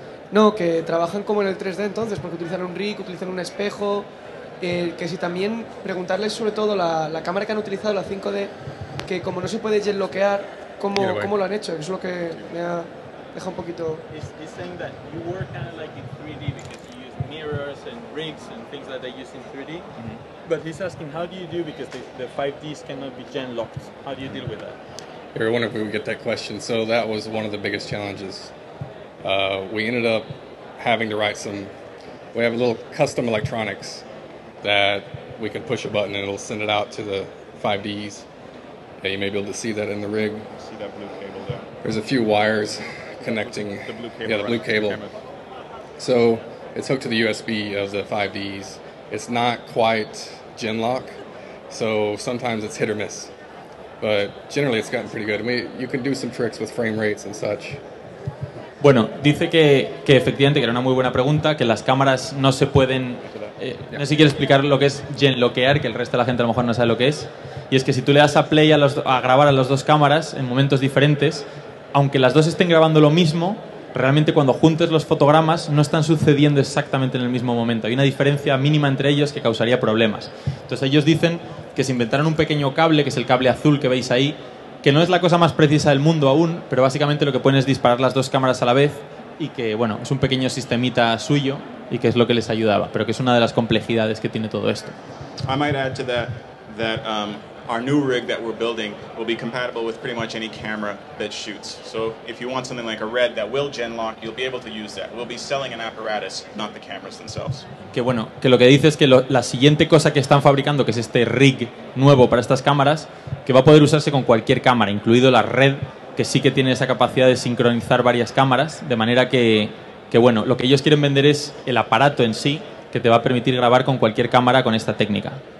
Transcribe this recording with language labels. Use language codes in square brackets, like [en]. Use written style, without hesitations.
[es] No, que trabajan como en el 3D entonces, porque utilizan un rig, utilizan un espejo. Que si también preguntarles sobre todo la cámara que han utilizado, la 5D, que como no se puede jetloquear, ¿cómo lo han hecho? Es lo que me ha dejado un poquito. [en] He's saying that you work kind of like in 3D because you use mirrors and rigs and things like that using 3D. Mm-hmm. But he's asking how do you do because the 5Ds cannot be jetlocked. How do you deal with that? I wonder if we would get that question. So that was one of the biggest challenges. We ended up having to write some. We have a little custom electronics that we can push a button and it'll send it out to the 5Ds. Yeah, you may be able to see that in the rig. See that blue cable there. There's a few wires connecting. The blue cable. Yeah, the blue cable. So it's hooked to the USB of the 5Ds. It's not quite genlock, so sometimes it's hit or miss. But generally it's gotten pretty good. You can do some tricks with frame rates and such. [es] Bueno, dice que efectivamente, que era una muy buena pregunta, que las cámaras no se pueden. No sé si quiere explicar lo que es genloquear, que el resto de la gente a lo mejor no sabe lo que es. Y es que si tú le das a play a grabar a las dos cámaras en momentos diferentes, aunque las dos estén grabando lo mismo, realmente cuando juntes los fotogramas no están sucediendo exactamente en el mismo momento. Hay una diferencia mínima entre ellos que causaría problemas. Entonces ellos dicen que se inventaron un pequeño cable, que es el cable azul que veis ahí, que no es la cosa más precisa del mundo aún, pero básicamente lo que pueden es disparar las dos cámaras a la vez y que, bueno, es un pequeño sistemita suyo y que es lo que les ayudaba, pero que es una de las complejidades que tiene todo esto. [en] I might add to that that our new rig that we're building will be compatible with pretty much any camera that shoots. So if you want something like a Red that will genlock, you'll be able to use that. We'll be selling an apparatus, not the cameras themselves. [es] Que bueno, que lo que dice es que la siguiente cosa que están fabricando, que es este rig nuevo para estas cámaras, que va a poder usarse con cualquier cámara, incluido la Red, que sí que tiene esa capacidad de sincronizar varias cámaras, de manera que bueno, lo que ellos quieren vender es el aparato en sí, que te va a permitir grabar con cualquier cámara con esta técnica.